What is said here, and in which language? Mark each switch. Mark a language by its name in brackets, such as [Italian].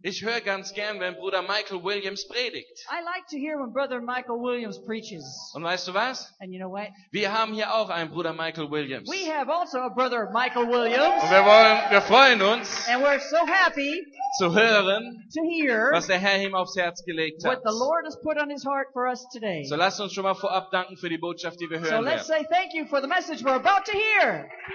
[German] Ich höre ganz gern, wenn Bruder Michael Williams predigt. [English] I like to hear when Brother Michael Williams preaches. [German] Und weißt du was? [English] And you know what? [German] Wir haben hier auch einen Bruder Michael Williams. [English] We have also a Brother Michael Williams. [German] Und wir freuen uns. [English] And we're so happy [German] zu hören, [English] to hear [German] was der Herr ihm aufs Herz gelegt hat. [English] What the Lord has put on his heart for us today. [German] So lasst uns schon mal vorab danken für die Botschaft, die wir hören werden. [English] So let's say thank you for the message we're about to hear.